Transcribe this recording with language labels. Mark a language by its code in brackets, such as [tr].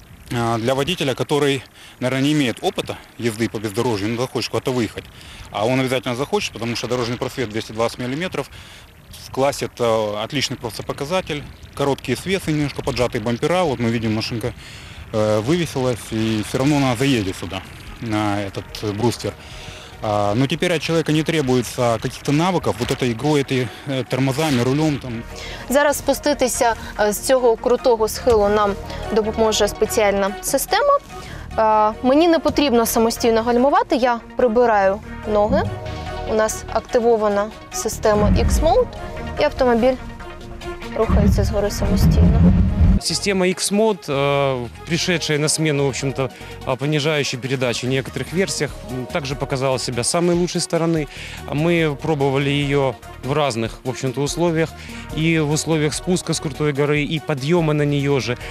[ru] для водителя, который, наверное, не имеет опыта езды по бездорожью, он захочет куда-то выехать, а он обязательно захочет, потому что дорожный просвет 220 мм, в классе это отличный просто показатель, короткие свесы, немножко поджатые бампера, вот мы видим, машинка вывесилась, и все равно она заедет сюда, на этот бруствер. Но теперь от человека не требуется каких-то навыков, вот этой игрой, этой тормозами, рулем. Там. [uk] Зараз спуститися з цього крутого схилу нам допоможе спеціальна система. Мені не потрібно самостійно гальмувати, я прибираю ноги. У нас активована система X-Mode і автомобіль рухається згори самостійно. [ru] Система X-Mode, пришедшая на смену, в общем-то, понижающей передачи в некоторых версиях, также показала себя с самой лучшей стороны. Мы пробовали ее в разных, в общем-то, условиях, и в условиях спуска с крутой горы, и подъема на нее же.